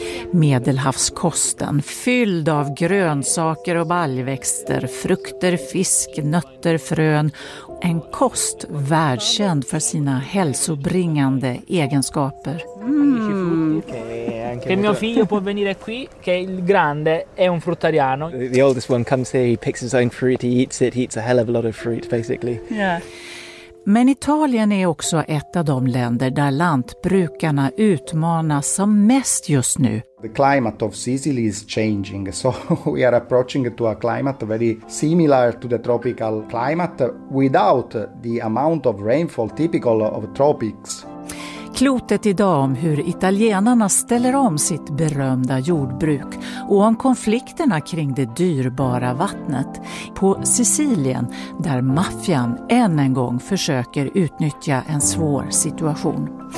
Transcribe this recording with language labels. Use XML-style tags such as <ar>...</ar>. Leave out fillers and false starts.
<sv>Medelhavskosten, fylld av grönsaker och baljväxter, frukter, fisk, nötter, frön. En kost världskänd för sina hälsobringande egenskaper.</sv> <it>Che mio figlio può venire qui, che il grande è un fruttariano.</it> <en>The oldest one comes here, he picks his own fruit, he eats it, he eats a hell of a lot of fruit basically. Yeah.</en> <sv>Men Italien är också ett av de länder där lantbrukarna utmanas som mest just nu.</sv> <en>The climate of Sicily is changing, so we are approaching to a climate very similar to the tropical climate without the amount of rainfall typical of tropics.</en> <sv>Klotet idag om hur italienarna ställer om sitt berömda jordbruk och om konflikterna kring det dyrbara vattnet på Sicilien, där maffian än en gång försöker utnyttja en svår situation.</sv>